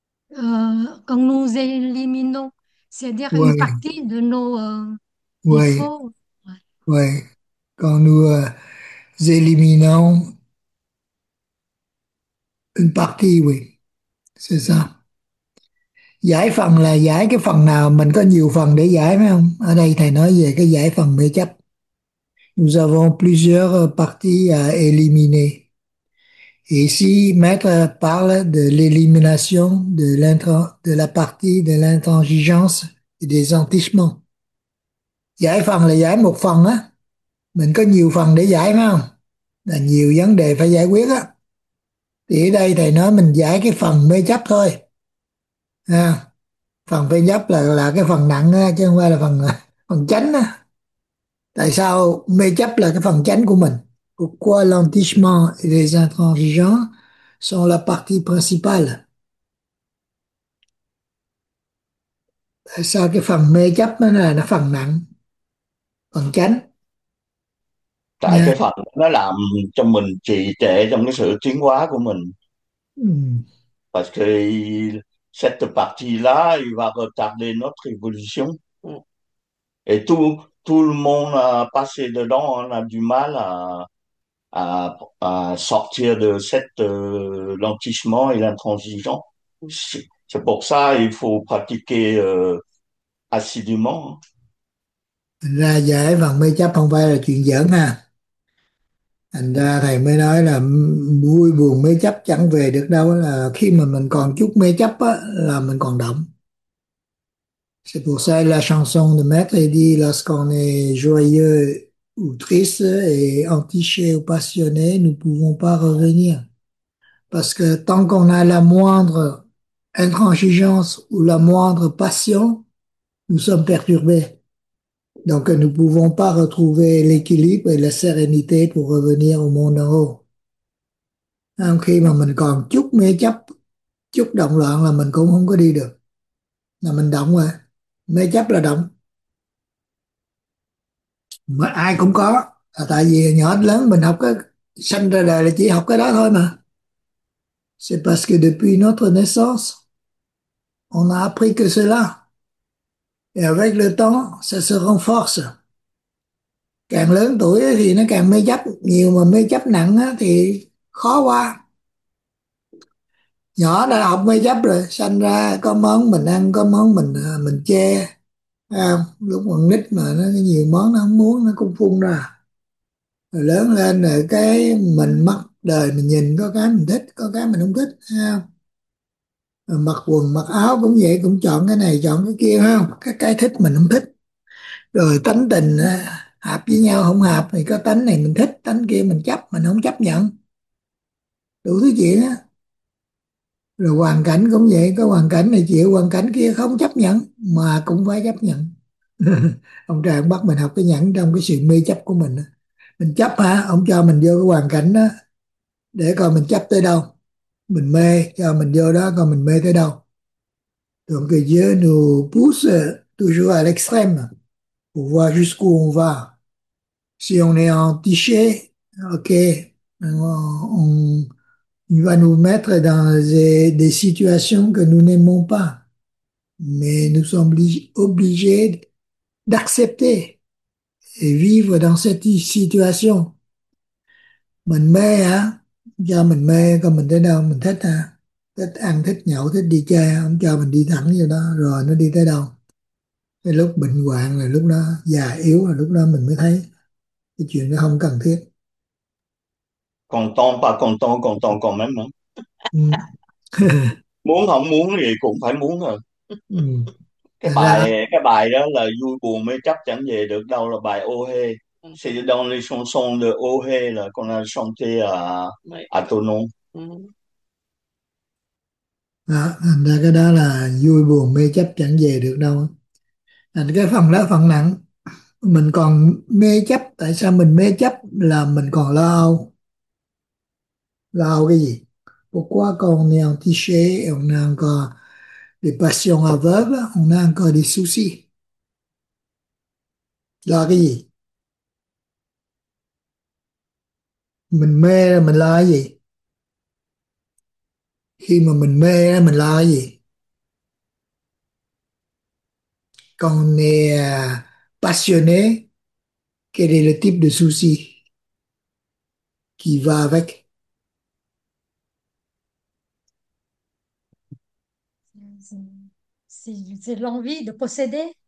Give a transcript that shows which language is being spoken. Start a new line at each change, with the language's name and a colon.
French: Quand nous éliminons, c'est-à-dire une Oui. partie de nos Oui. défauts. Oui. Quand nous éliminons une partie, oui. C'est ça.
Vietnamese: Giải phần là giải cái phần nào mình có nhiều phần để giải, phải không? Ở đây thầy nói về cái giải phần mê chấp.
French: Nous avons plusieurs parties à éliminer. Ici, Maître parle de l'élimination de la partie de l'intransigeance et des entichements.
Vietnamese: Giải phần là giải một phần á. Mình có nhiều phần để giải, phải không? Là nhiều vấn đề phải giải quyết á. Thì ở đây thầy nói mình giải cái phần mê chấp thôi. À, phần phê nhấp là cái phần nặng á, chứ không phải là phần phần chánh á. Tại sao mê chấp là cái phần chánh của mình?
French: Pourquoi l'entichement et les intransigeants sont la partie principale?
Vietnamese: Tại sao cái phần mê chấp nó là nó phần nặng, phần chánh? Tại cái phần nó làm cho mình trì trệ trong cái sự tiến hóa của mình.
French: Parce que cette partie-là, il va retarder notre évolution. Et tout le monde a passé dedans, on a du mal à sortir de cette lentissement et l'intransigeant. C'est pour ça qu'il faut pratiquer assidûment.
Vietnamese: Thành ra giải phần mê chấp không phải là chuyện giỡn ha. Thành ra thầy mới nói là vui buồn mê chấp chẳng về được đâu, là khi mà mình còn chút mê chấp á, là mình còn động.
French: C'est pour ça la chanson de Maître dit lorsqu'on est joyeux ou triste et entiché ou passionné, nous ne pouvons pas revenir. Parce que tant qu'on a la moindre intransigeance ou la moindre passion, nous sommes perturbés. Donc, nous ne pouvons pas retrouver l'équilibre et la sérénité pour revenir au monde en haut.
Vietnamese: Même khi mà mình còn chút mê chấp, chút động loạn là mình cũng không có đi được. Là mình động rồi. Mê chấp là động. Mà ai cũng có. Tại vì nhỏ lớn mình học cái, sinh ra đời là chỉ học cái đó thôi mà.
French: C'est parce que depuis notre naissance, on a appris que cela. Et avec le temps, ça se renforce.
Vietnamese: Càng lớn tuổi thì nó càng mê chấp nhiều, mà mê chấp nặng thì khó qua. Nhỏ đã học mê chấp rồi, sanh ra có món mình ăn, có món mình che. À, lúc còn nít mà nó nhiều món nó không muốn, nó cũng phun ra. Rồi lớn lên rồi cái mình mắt đời mình nhìn có cái mình thích, có cái mình không thích. À, mặc quần mặc áo cũng vậy, cũng chọn cái này chọn cái kia, không cái thích mình không thích, rồi tánh tình hợp với nhau không hợp thì có tánh này mình thích, tánh kia mình chấp, mình không chấp nhận, đủ thứ chuyện á. Rồi hoàn cảnh cũng vậy, có hoàn cảnh này chịu, hoàn cảnh kia không chấp nhận mà cũng phải chấp nhận. Ông trời ông bắt mình học cái nhẫn trong cái sự mê chấp của mình. Mình chấp hả, ông cho mình vô cái hoàn cảnh đó để coi mình chấp tới đâu, mình mê cho mình vô đó còn mình mê tới đâu.
French: Donc Dieu nous pousse toujours à l'extrême pour voir jusqu'où on va. Si on est entiché, ok, il va nous mettre dans des situations que nous n'aimons pas, mais nous sommes obligés d'accepter et vivre dans cette situation.
Vietnamese: Mình mê hein? Cho mình mê coi mình tới đâu, mình thích ha, thích ăn, thích nhậu, thích đi chơi, không cho mình đi thẳng vô đó rồi nó đi tới đâu. Cái lúc bệnh hoạn là lúc đó già yếu, là lúc đó mình mới thấy cái chuyện nó không cần thiết.
French: Content, pas content, content quand même.
Vietnamese: Muốn không muốn thì cũng phải muốn rồi. Thành ra Cái bài đó là vui buồn mê chấp chẳng về được đâu, là bài ô hê.
French: C'est dans les chansons de Ohé là qu'on a chanté à ton nom.
Vietnamese: Đó, thành ra cái đó là vui buồn mê chấp chẳng về được đâu. Thành cái phần đó phần nặng. Mình còn mê chấp, tại sao mình mê chấp là mình còn lo âu. Lo âu cái gì?
French: Pourquoi qu'on est entiché, on a encore des passions aveugles, on a encore des soucis.
Vietnamese: Lo cái gì? Mình mê là mình lo cái gì? Khi mà mình mê mình lo cái gì? Con nè
French: passionné, quel est le type de souci qui va avec? C'est l'envie de posséder.